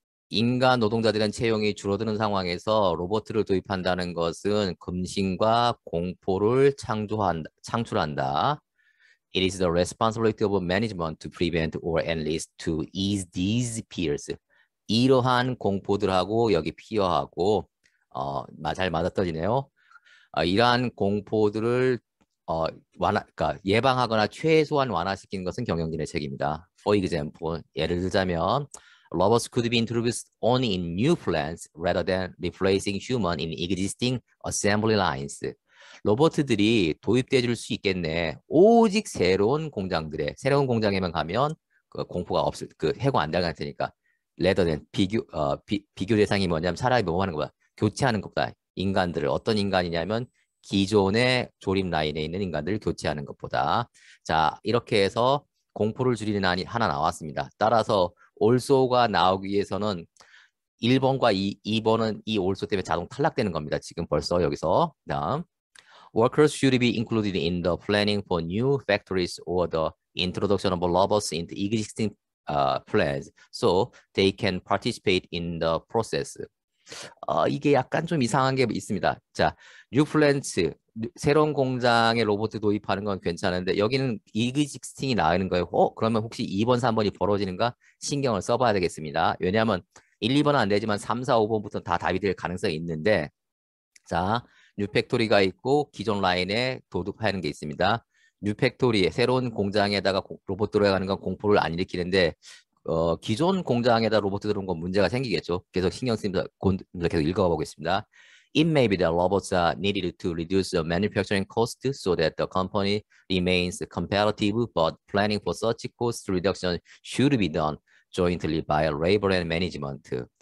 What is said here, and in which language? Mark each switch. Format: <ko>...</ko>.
<ko>인간 노동자들은 채용이 줄어드는 상황에서 로봇을 도입한다는 것은 금신과 공포를 창출한다.</ko> <en>It is the responsibility of management to prevent or at least to ease these fears.</en> <ko>이러한 공포들하고 여기 피어하고 잘 맞아떨어지네요. 이러한 공포들을 예방하거나 최소한 완화시키는 것은 경영진의 책임이다.</ko> <en>For example,</en> <ko>예를 들자면</ko> <en>Robots could be introduced only in new plants rather than replacing human in existing assembly lines.</en> <ko>로봇들이 도입돼줄 수 있겠네. 오직 새로운 공장에만 가면 그 공포가 없을, 그 해고 안 당할 테니까.</ko> <en>Rather than</en> <ko>비교 대상이 뭐냐면 차라리 뭐 하는 거야? 교체하는 것보다 인간들을 어떤 인간이냐면 기존의 조립 라인에 있는 인간들을 교체하는 것보다. 자, 이렇게 해서 공포를 줄이는 안이 하나 나왔습니다. 따라서 also가 나오기 위해서는 1번과 2번은 이 also 때문에 자동 탈락되는 겁니다. 지금 벌써 여기서. 다음.</ko> <en>Workers should be included in the planning for new factories or the introduction of robots into existing plants so they can participate in the process.</en> <ko>이게 약간 좀 이상한 게 있습니다. 자, new plants, 새로운 공장에 로봇 도입하는 건 괜찮은데 여기는 existing이 나오는 거예요. 그러면 혹시 2번, 3번이 벌어지는가 신경을 써봐야 되겠습니다. 왜냐하면 1, 2번은 안 되지만 3, 4, 5번부터 다 답이 될 가능성이 있는데 자, new factory가 있고 기존 라인에 도입하는 게 있습니다. new factory에 새로운 공장에다가 로봇 들어가는 건 공포를 안 일으키는데 기존 공장에다 로봇 들어온 건 문제가 생기겠죠. 계속 신경 쓰면서 계속 읽어보겠습니다.</ko> <en>It may be that robots are needed to reduce the manufacturing cost so that the company remains competitive, but planning for such cost reduction should be done jointly by labor and management.</en>